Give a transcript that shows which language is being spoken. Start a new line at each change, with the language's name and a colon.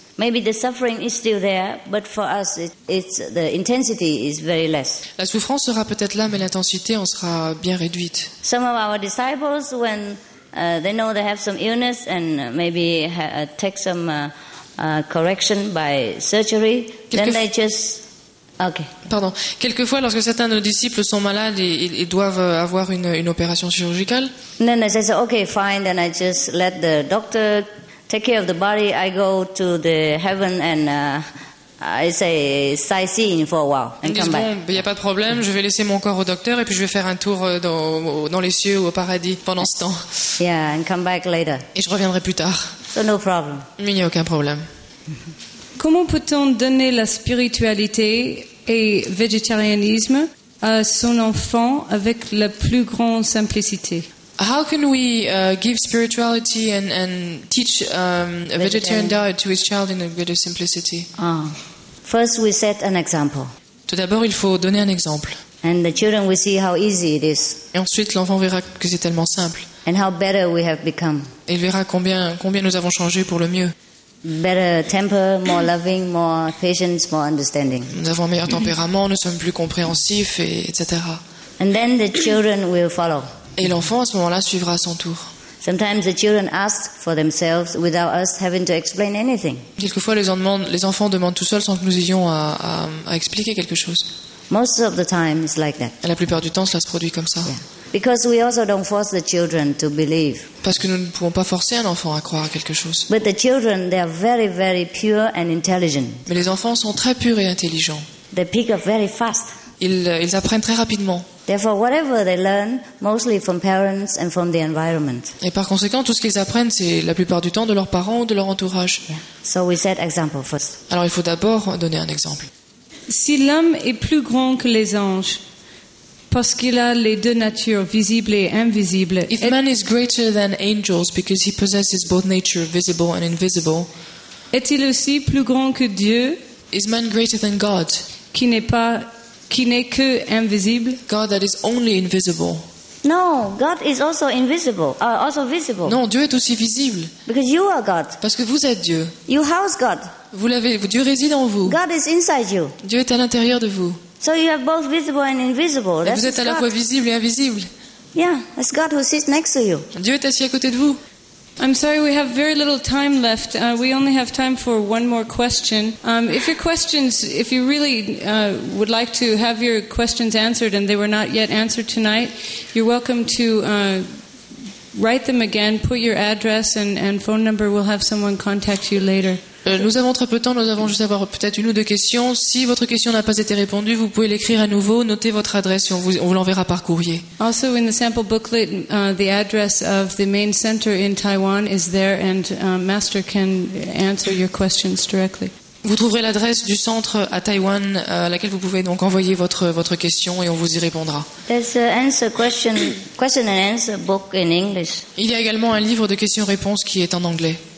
English: Maybe the suffering is still there, but for us, it's the intensity is very less.
French: La souffrance sera peut-être là, mais l'intensité en sera bien réduite.
English: Some of our disciples, when they know they have some illness and maybe take some correction by surgery, then they just okay.
French: Pardon. Quelquefois, lorsque certains de nos disciples sont malades et ils doivent avoir une opération chirurgicale.
English: Then they say, okay, fine. Then I just let the doctor take care of the body. I go to the heaven and I say sightseeing for a while and come back.
French: Ils disent, bon, y a pas de problème. Je vais laisser mon corps au docteur et puis je vais faire un tour dans les cieux ou au paradis pendant ce temps.
English: Yeah, and come back later.
French: Et je reviendrai plus tard.
English: So no problem.
French: Mais il n'y a aucun problème. Comment peut-on donner la spiritualité et végétarianisme à son enfant avec la plus grande simplicité?
English: How can we give spirituality and teach a vegetarian diet to his child in a greater simplicity? First we set an example.
French: Tout d'abord, il faut donner un exemple.
English: And the children will see how easy it is.
French: Et ensuite, l'enfant verra que c'est tellement simple.
English: And how better we have become.
French: Et il verra combien nous avons changé pour le mieux.
English: Better temper, more loving, more patience, more understanding.
French: Nous avons un meilleur tempérament, nous sommes plus compréhensifs, etc.
English: And then the children will follow.
French: Et l'enfant, à ce moment-là, suivra à son tour.
English: Sometimes the children ask for themselves without us having to explain anything.
French: Quelquefois, les enfants demandent tout seuls sans que nous ayons à expliquer quelque chose.
English: Most of the time, it's like that.
French: Et la plupart du temps, cela se produit comme ça.
English: Yeah. Because we also don't force the children to believe.
French: Parce que nous ne pouvons pas forcer un enfant à croire à quelque chose.
English: But the children, they are very, very pure and intelligent.
French: Mais les enfants sont très purs et intelligents.
English: They pick up very fast.
French: Ils apprennent très rapidement.
English: Therefore, whatever they learn, mostly from parents and from the environment.
French: Et par conséquent, tout ce qu'ils apprennent, c'est la plupart du temps de leurs parents ou de leur entourage.
English: Yeah. So we set example first.
French: Alors il faut d'abord donner un exemple. Si l'homme est plus grand que les anges, parce qu'il a les deux natures, visible et invisible.
English: If man is greater than angels because he possesses both nature, visible and invisible.
French: Est-il aussi plus grand que Dieu?
English: Is man greater than God?
French: Qui n'est que invisible?
English: God that is only invisible. No, God is also invisible. Also visible.
French: Non, Dieu est aussi visible.
English: Because you are God.
French: Parce que vous êtes Dieu.
English: You house God.
French: Dieu réside en vous.
English: God is inside you.
French: Dieu est à l'intérieur de vous.
English: So you have both visible and invisible.
French: Et vous êtes à la fois visible et invisible.
English: Yeah, it's God who sits next to you.
French: Dieu est assis à côté de vous.
English: I'm sorry, we have very little time left. We only have time for one more question. If you really would like to have your questions answered and they were not yet answered tonight, you're welcome to write them again, put your address and phone number. We'll have someone contact you later.
French: Nous avons très peu de temps, nous avons juste à avoir peut-être une ou deux questions. Si votre question n'a pas été répondue, vous pouvez l'écrire à nouveau, notez votre adresse et on vous l'enverra par courrier.
English: Also in the sample booklet, the address of the main center in Taiwan is there and Master can answer your questions directly.
French: Vous trouverez l'adresse du centre à Taïwan à laquelle vous pouvez donc envoyer votre question et on vous y répondra.
English: There's an answer question and answer book in English.
French: Il y a également un livre de questions-réponses qui est en anglais.